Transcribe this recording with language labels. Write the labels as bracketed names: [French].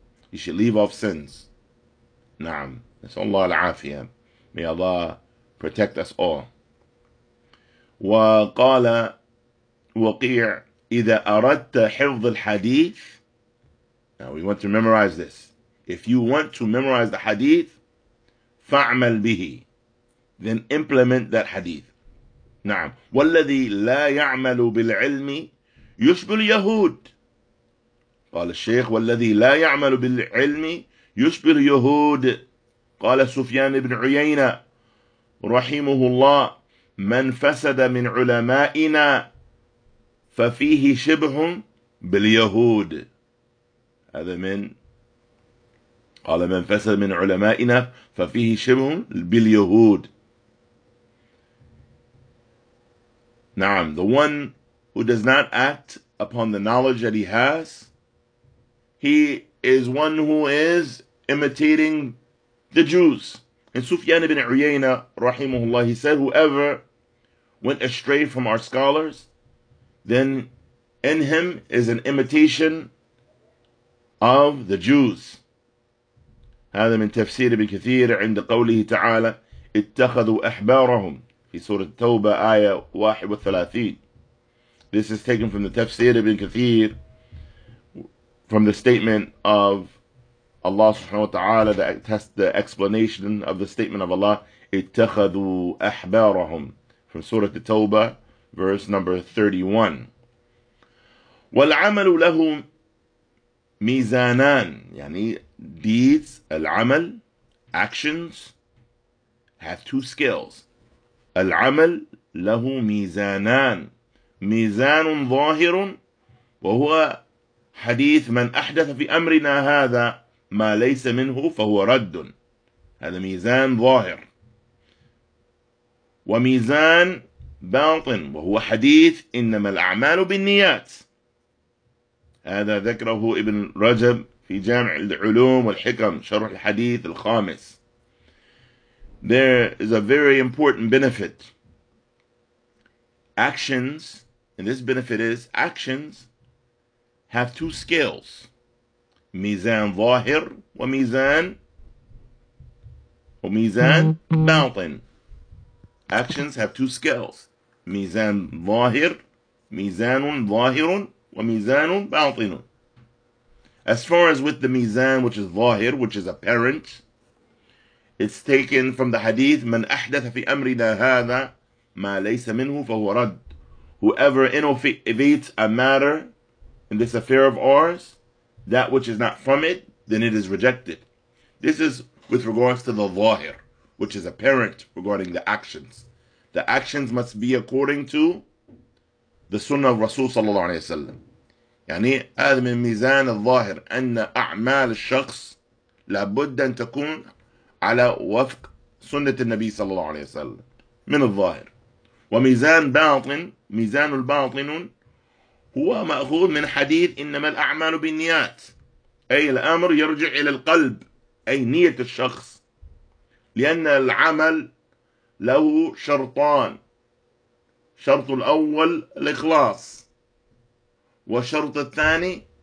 [English] He should leave off sins. Naam. [Arabic] Nas'Allah al-'afiyah. [English] May Allah protect us all. [Arabic] وقال وقيع إذا أردت حفظ الحديث. [English] Now we want to memorize this. If you want to memorize the hadith, [Arabic] فعمل به. [English] Then implement that hadith. [Arabic] نعم. والذي لا يعمل بالعلم يشبه اليهود. قال الشيخ والذي لا يعمل بالعلم يشبه اليهود. قال سفيان بن عيينة رحمه الله من فسد من علمائنا ففيه شبه باليهود. هذا من قال من فسد من علمائنا ففيه شبه باليهود. نعم. [English] The one who does not act upon the knowledge that he has, he is one who is imitating the Jews. And Sufyan ibn Uyayna, rahimahullah, he said, whoever went astray from our scholars, then in him is an imitation of the Jews. [Arabic] هذا من تفسير ابن كثير عند قوله تعالى اتخذوا أحبارهم في سورة التوبة آية 31. [English] This is taken from the tafsir ibn Kathir, from the statement of Allah subhanahu wa ta'ala, test the explanation of the statement of Allah, [Arabic] اتخذوا أحبارهم, [English] from Surah At-Tawbah, verse number 31. [Arabic] وَالْعَمَلُ لَهُمْ ميزانان, يعني deeds, العمل, [English] actions, have two scales. [Arabic] العمل له ميزانان, ميزان ظاهر وهو حديث من أحدث في أمرنا هذا ما ليس منه فهو رد, هذا ميزان ظاهر. وميزان باطن وهو حديث إنما الأعمال بالنيات, هذا ذكره ابن رجب في جامع العلوم والحكم شرح الحديث الخامس. [English] There is a very important benefit. Actions, and this benefit is, actions have two scales. [Arabic] Mizan zahir wa mizan, [English] or [Arabic] mizan batin. [English] Actions have two scales. [Arabic] Mizan zahir, mizanun zahirun, wa mizanun batinun. [English] As far as with the mizan, which is zahir, which is apparent, it's taken from the hadith, [Arabic] من أحدث في أمرنا هذا ما ليس منه فهو رد. [English] Whoever innovates a matter in this affair of ours, that which is not from it, then it is rejected. This is with regards to the ظاهر, which is apparent regarding the actions. The actions must be according to the sunnah of Rasul صلى الله عليه وسلم. [Arabic] يعني هذا من ميزان الظاهر أن أعمال الشخص لابد أن تكون على وفق سنة النبي صلى الله عليه وسلم من الظاهر. وميزان باطن, ميزان الباطن هو مأخوذ من حديث إنما الأعمال بالنيات, أي الأمر يرجع إلى القلب, أي نية الشخص, لأن العمل له شرطان, شرط الأول الإخلاص, وشرط الثاني